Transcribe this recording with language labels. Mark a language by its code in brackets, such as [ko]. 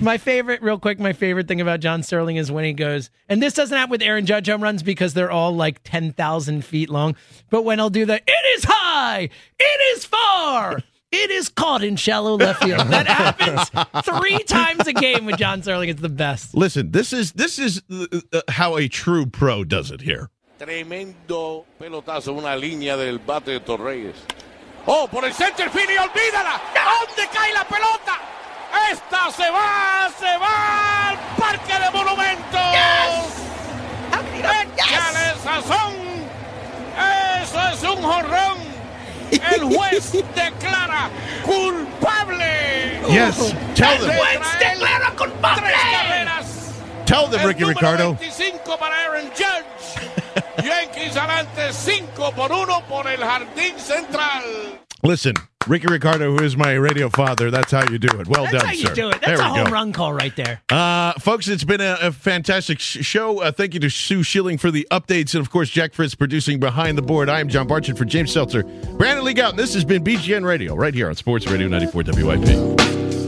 [en] My favorite, real quick, my favorite thing about John Sterling is when he goes, and this doesn't happen with Aaron Judge home runs because they're all like 10,000 feet long, but when he'll do the, it is high, it is far, it is caught in shallow left field. That happens three times a game with John Sterling. It's the best. Listen, this is how a true pro does it here. [es] Tremendo pelotazo, una línea del bate de Torres. Oh, por el center field y olvídala. ¿Dónde cae la pelota? Esta se va al Parque de Monumentos. ¡Échale sazón! Eso es un jorrón. El juez declara culpable. [en] Yes, tell them. [es] El juez declara culpable. [en] Tell them, Ricky Ricardo. [es] 25 para Aaron Judge. Yankees adelante 5-1 por el jardín central. [en] Listen, Ricky Ricardo, who is my radio father, that's how you do it. Well done, sir. That's how you do it. That's a home run call right there. Folks, it's been a fantastic show. Thank you to Sue Schilling for the updates. And, of course, Jack Fritz producing Behind the Board. I am John Barchett for James Seltzer. Brandon Lee Gowton, this has been BGN Radio right here on Sports Radio 94 WIP.